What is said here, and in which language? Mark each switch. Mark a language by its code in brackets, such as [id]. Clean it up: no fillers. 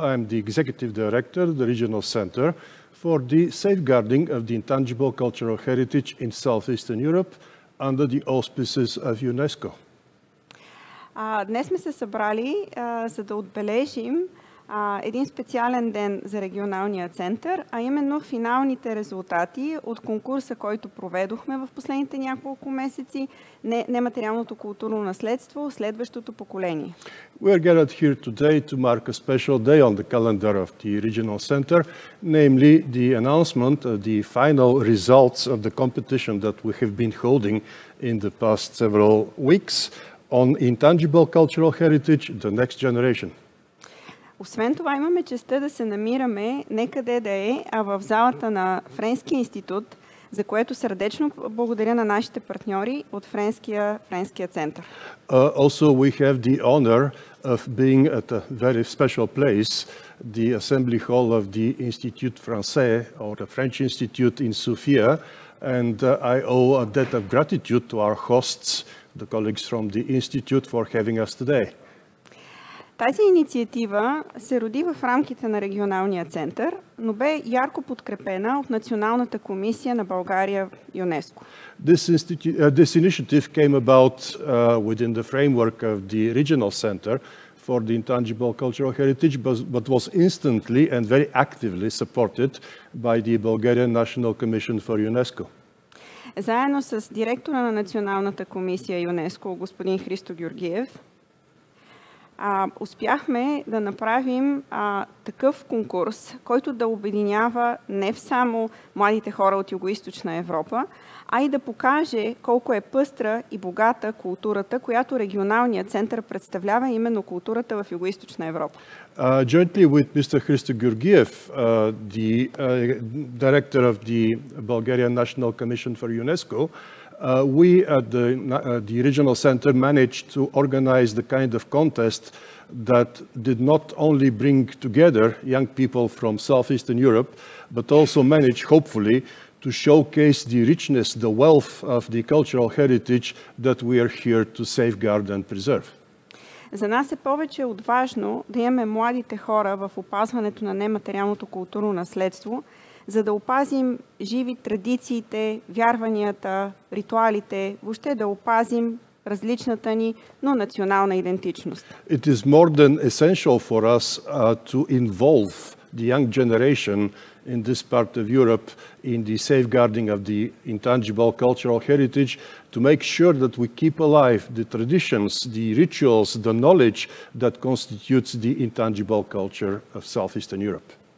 [en] I am the executive director of the Regional Center for the safeguarding of the intangible cultural heritage in Southeastern Europe under the auspices of UNESCO. [bg] Днес сме се събрали, за да отбележим един специален ден за регионалния център, а именно финалните резултати от конкурса, който проведохме в последните няколко месеци, нематериалното културно наследство, следващото поколение. [en] We are gathered here today to mark a special day on the calendar of the Regional Center, namely the announcement of the final results of the competition that we have been holding in the past several weeks on intangible cultural heritage, the next generation. [bg] Освен това, имаме честта да се намираме не къде да е, а в залата на Френския институт, за което сърдечно благодаря на нашите партньори от Френския център. [en] Also, we have the honor of being at a very special place, the assembly hall of the Institut Français, or the French Institute in Sofia, and I owe a debt of gratitude to our hosts, the colleagues from the Institute, for having us today. [bg] Тази инициатива се роди в рамките на регионалния център, но бе ярко подкрепена от Националната комисия на България ЮНЕСКО. [en] This initiative came about within the framework of the Regional Center for the Intangible Cultural Heritage, but was instantly and very actively supported by the Bulgarian National Commission for UNESCO. [bg] Заедно с директора на Националната комисия ЮНЕСКО, господин Христо Георгиев, успяхме да направим такъв конкурс, който да обединява не само младите хора от Югоизточна Европа, а и да покаже колко е пъстра и богата културата, която регионалният център представлява, именно културата в Югоизточна Европа. [en] Jointly with Mr. Христо Георгиев, the director of the Bulgarian National Commission for UNESCO, we at the Regional Center managed to organize the kind of contest that did not only bring together young people from Southeastern Europe, but also managed, hopefully, to showcase the richness, the wealth of the cultural heritage that we are here to safeguard and preserve. [bg] За нас е повече от важно да имаме младите хора в опазването на нематериалното културно наследство, за да опазим живи традициите, вярванията, ритуалите, въобще да опазим различната ни, но национална идентичност. [en] It is more than essential for us to involve the young generation in this part of Europe in the safeguarding of the intangible cultural heritage, to make sure that we keep alive the traditions, the rituals, the knowledge that constitutes the intangible culture of Southeastern Europe.